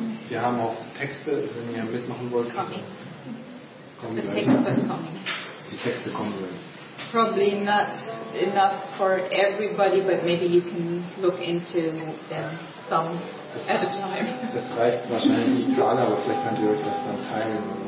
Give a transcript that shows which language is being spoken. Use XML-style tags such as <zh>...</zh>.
<de>Wir haben auch Texte, wenn ihr mitmachen wollt.</de> <en>Coming.</en> <de>Kommen</de> <en>the texts gleich. Are coming.</en> <de>Die Texte kommen gleich.</de> <en>Probably not enough for everybody, but maybe you can look into them some.</en> <de>Das reicht wahrscheinlich nicht für alle, aber vielleicht könnt ihr euch das dann teilen.</de>